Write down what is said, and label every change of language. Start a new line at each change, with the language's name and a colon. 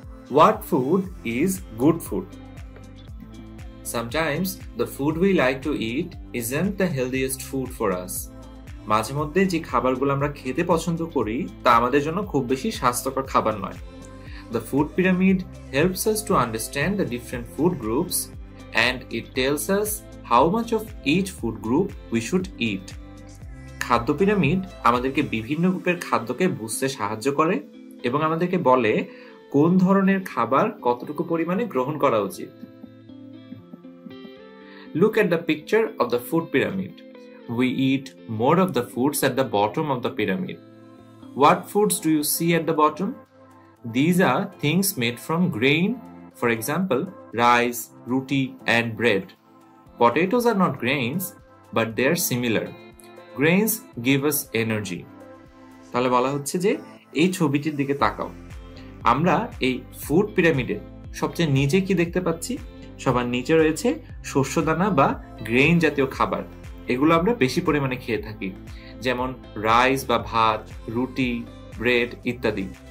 English: What food is good food? Sometimes the food we like to eat isn't the healthiest food for us.
Bangla: মাঝে মধ্যে যে খাবারগুলো আমরা খেতে পছন্দ করি তা আমাদের জন্য খুব বেশি স্বাস্থ্যকর খাবার নয়।
English: The food pyramid helps us to understand the different food groups and it tells us how much of each food group we should eat.
Bangla: খাদ্য পিরামিড আমাদেরকে বিভিন্ন গ্রুপের খাদ্যকে বুঝতে সাহায্য করে এবং আমাদেরকে বলে কোন ধরনের খাবার কতটুকু পরিমাণে গ্রহণ করা উচিত।
English: Look at the picture of the food pyramid. We eat more of the foods at the bottom of the pyramid. What foods do you see at the bottom? These are things made from grain, for example, rice, roti, and bread. Potatoes are not grains, but they are similar. Grains give us energy.
Bangla: তাহলে বলা হচ্ছে যে এই ছবিটির দিকে তাকাও। আমরা এই ফুড পিরামিডে সবচেয়ে নিচে কি দেখতে পাচ্ছি? সবার নিচে রয়েছে শস্যদানা বা গ্রেইন জাতীয় খাবার। এগুলো আমরা বেশি পরিমাণে খেয়ে থাকি, যেমন রাইস বা ভাত, রুটি, ব্রেড ইত্যাদি।